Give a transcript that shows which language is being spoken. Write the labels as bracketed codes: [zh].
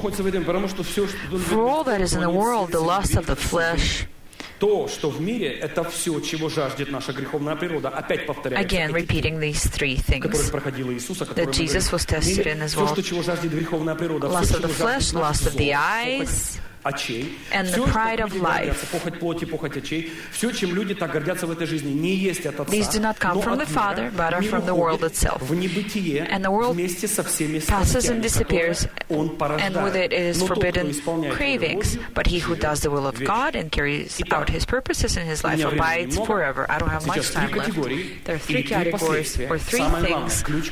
[en] For all that is in the world, the lust of the flesh, [ru] то, что в мире, это все, чего жаждет наша греховная природа. Опять повторяю. [en] Again, repeating these three things. [ru] Иисуса, [en] that Jesus was tested in as well. [ru] То, чего жаждет греховная природа. [en] Lust of the flesh, lust of the eyes, [ru] очей, [en] and the pride of life. [ru] Похоть плоти, похоть очей. Все, чем люди так гордятся в этой жизни, не есть от Отца. [en] These do not come from the Father, but are from the world itself. [ru] В небытие, [en] and the world [ru] вместе со всеми [en] passes and disappears, and with it is forbidden cravings. But he who does the will of God and carries out his purposes in his life abides forever. I don't have much time left. There are three categories or three things.